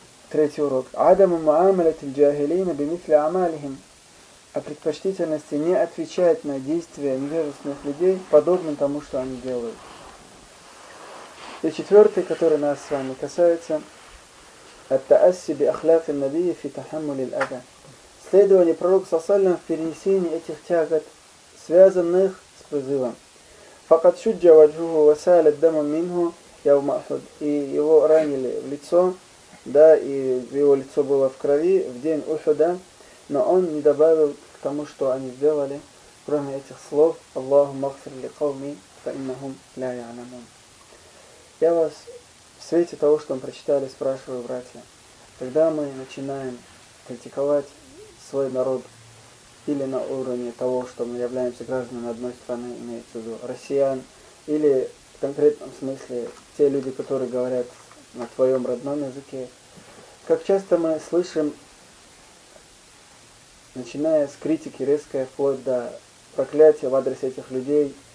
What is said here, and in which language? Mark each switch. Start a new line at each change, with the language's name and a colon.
Russian: Третий урок.
Arabic: Адаму муамалати джахилина бимитля амалихим.
Russian: О предпочтительности не отвечать на действия невежественных людей, подобно тому, что они делают. И четвертый, который нас с вами касается.
Arabic: التأسي بأخلاق النبي في تحمل الأذى.
Russian: Следование пророка саллаллаху алейхи вассалям в перенесении этих тягот, связанных с призывом.
Arabic: فقد شج وجهه وسال الدم منه يوم أحد.
Russian: И его ранили в лицо, да, и его лицо было в крови в день Ухуда, но он не добавил к тому, что они сделали, кроме этих слов:
Arabic: اللهم اغفر لقومي فإنهم لا يعلمون.
Russian: Я вас в свете того, что мы прочитали, спрашиваю, братья, когда мы начинаем критиковать свой народ или на уровне того, что мы являемся гражданами одной страны, имеется в виду россиян, или в конкретном смысле те люди, которые говорят на твоем родном языке, как часто мы слышим, начиная с критики резкой, вплоть до проклятия в адрес этих людей,